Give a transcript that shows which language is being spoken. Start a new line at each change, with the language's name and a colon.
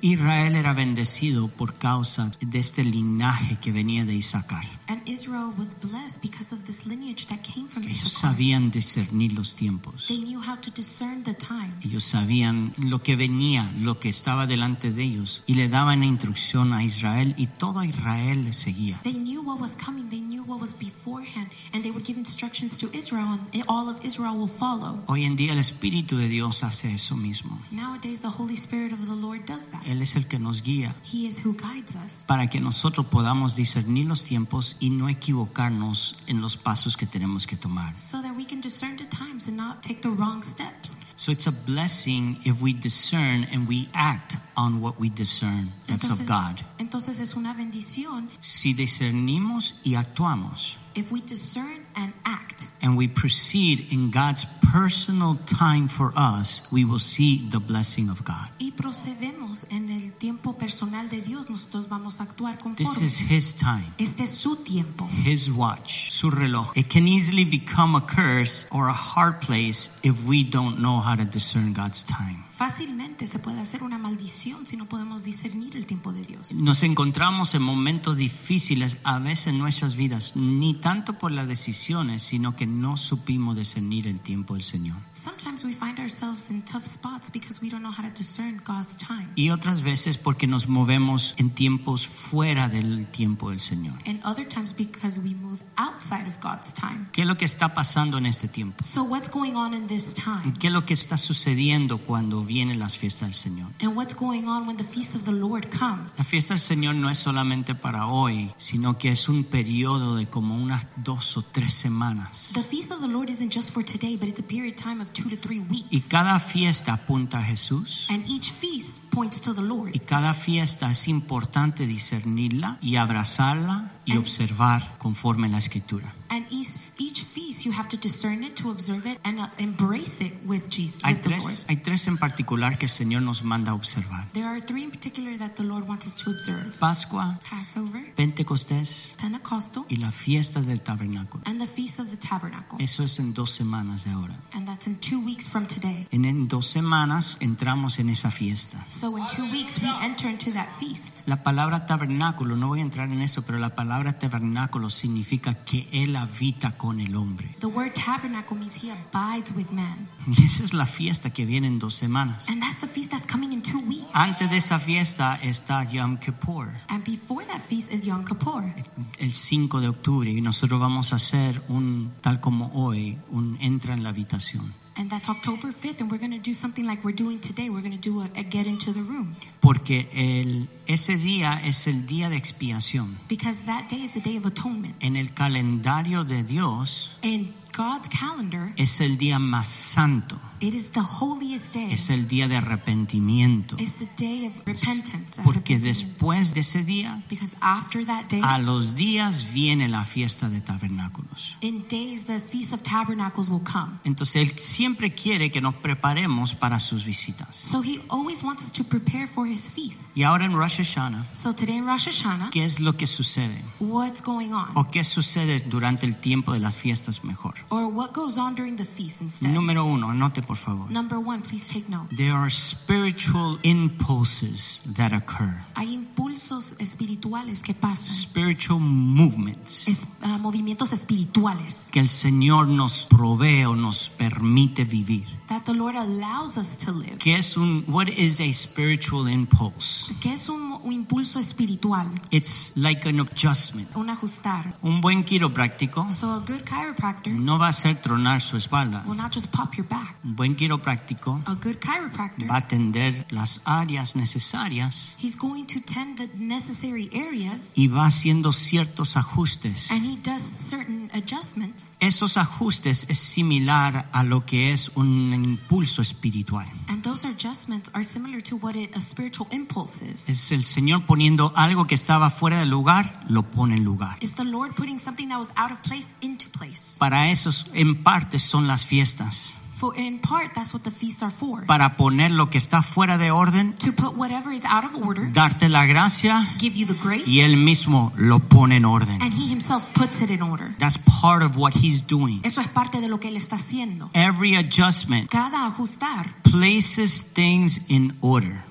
Spanish: Israel era bendecido por causa de este linaje que venía de Issachar.
English: And Israel was blessed because of this lineage that came from Issachar.
Spanish: Ellos sabían discernir los tiempos.
English: They knew how to discern the times.
Spanish: Ellos sabían lo que venía, lo que estaba delante de ellos, y le daban instrucción a Israel, y todo Israel le seguía.
English: They knew what was coming, they knew what was beforehand, and they would give instructions to Israel, and all of Israel will follow.
Spanish: Hoy en día el Espíritu de Dios hace eso mismo.
English: Nowadays the Holy Spirit of the Lord does that.
Spanish: Él es el que nos guía.
English: He is who guides us.
Spanish: Para que nosotros podamos discernir los tiempos y no equivocarnos en los pasos que tenemos que tomar.
English: So that we can discern the times and not take the wrong steps. So it's a blessing if we discern and we act on what we discern that's of God.
Spanish: Entonces es una bendición. Si discernimos y actuamos.
English: If we discern and act. And we proceed in God's personal time for us, we will see the blessing of God.
Spanish: Y procedemos en el tiempo personal de Dios, nosotros vamos a actuar conforme.
English: This is his time.
Spanish: Este es su tiempo.
English: His watch,
Spanish: su reloj.
English: It can easily become a curse or a hard place if we don't know how to discern God's time.
Spanish: Fácilmente se puede hacer una maldición si no podemos discernir el tiempo de Dios. Nos encontramos en momentos difíciles a veces en nuestras vidas, ni tanto por las decisiones, sino que no supimos discernir el tiempo del Señor.
English: Sometimes we find ourselves in tough spots because we don't know how to discern God's time.
Spanish: Y otras veces porque nos movemos en tiempos fuera del tiempo del Señor.
English: And other times because we move outside of God's time.
Spanish: ¿Qué es lo que está pasando en este tiempo?
English: So what's going on in this time?
Spanish: ¿Qué es lo que está sucediendo cuando vienen las fiestas del Señor?
English: And what's going on when the feast of the Lord comes?
Spanish: La fiesta del Señor no es solamente para hoy, sino que es un periodo de como unas dos o tres semanas.
English: The feast of the Lord isn't just for today, but it's a period of time of 2 to 3 weeks.
Spanish: Y cada fiesta apunta a Jesús.
English: And each feast points to the Lord.
Spanish: Y cada fiesta es importante discernirla y abrazarla y observar conforme la escritura.
English: And each feast you have to discern it, to observe it and embrace it with Jesus.
Spanish: Hay tres en particular que el Señor nos manda observar.
English: There are three in particular that the Lord wants us to observe.
Spanish: Pascua,
English: Passover,
Spanish: Pentecostés,
English: Pentecostal,
Spanish: y la fiesta del tabernáculo.
English: And the feast of the tabernacle.
Spanish: Eso es en dos semanas de ahora.
English: And that's in 2 weeks from today.
Spanish: En dos semanas entramos en esa fiesta.
English: So in 2 weeks we enter into that feast.
Spanish: La palabra tabernáculo, no voy a entrar en eso, pero la palabra tabernáculo significa que Él habita con el hombre.
English: The word tabernacle means He abides with man.
Spanish: Y esa es la fiesta que viene en dos semanas.
English: And that's the feast that's coming in 2 weeks.
Spanish: Antes de esa fiesta está Yom Kippur.
English: And before that feast is Yom Kippur.
Spanish: El 5 de octubre, y nosotros vamos a hacer un, tal como hoy, un entra en la habitación.
English: And that's October 5th, and we're going to do something like we're doing today. We're going to do a get into the room.
Spanish: Porque ese día es el día de expiación.
English: Because that day is the day of atonement.
Spanish: En el calendario de Dios.
English: In God's calendar.
Spanish: Es el día más santo.
English: It is the holiest day.
Spanish: Es el día de arrepentimiento.
English: It's the day of repentance.
Spanish: Porque después de ese día,
English: because after that day,
Spanish: a los días viene la fiesta de tabernáculos.
English: In days the feast of tabernacles will come.
Spanish: Entonces él siempre quiere que nos preparemos para sus visitas.
English: So he always wants us to prepare for his feast.
Spanish: Y ahora en Rosh Hashanah.
English: So today in Rosh Hashanah,
Spanish: ¿qué es lo que sucede?
English: What's going on?
Spanish: ¿O qué sucede durante el tiempo de las fiestas mejor?
English: Or what goes on during the feast instead?
Spanish: Número uno, no por favor.
English: Number one, please take note. There are spiritual impulses that occur.
Spanish: Hay impulsos espirituales que pasan.
English: Spiritual movements.
Spanish: Movimientos espirituales. Que el Señor nos provee o nos permite vivir.
English: That the Lord allows us to live.
Spanish: ¿Qué es un,
English: what is a spiritual impulse?
Spanish: ¿Qué es un impulso espiritual?
English: It's like an adjustment.
Spanish: Un ajustar. Un buen quiropráctico.
English: So a good chiropractor.
Spanish: No va a ser tronar su espalda.
English: Will not just pop your back.
Spanish: Un buen quiropráctico,
English: a good chiropractor,
Spanish: va a tender las áreas necesarias.
English: He's going to tend the necessary areas,
Spanish: y va haciendo ciertos ajustes.
English: And he does certain adjustments.
Spanish: Esos ajustes es similar a lo que es un impulso espiritual.
English: And those adjustments are similar to what a spiritual impulse is.
Spanish: Es el Señor poniendo algo que estaba fuera de lugar, lo pone en lugar.
English: It's the Lord putting something that was out of place into place.
Spanish: Para eso, en parte, son las fiestas.
English: For in part, that's what the feasts are for.
Spanish: Para poner lo que está fuera de orden.
English: To put whatever is out of order.
Spanish: Darte la gracia.
English: Give you the grace.
Spanish: Y él mismo lo pone en orden.
English: And he himself puts it in order. That's part of what he's doing.
Spanish: Eso es parte de lo que él está haciendo.
English: Every adjustment.
Spanish: Cada ajustar.
English: Places things in order.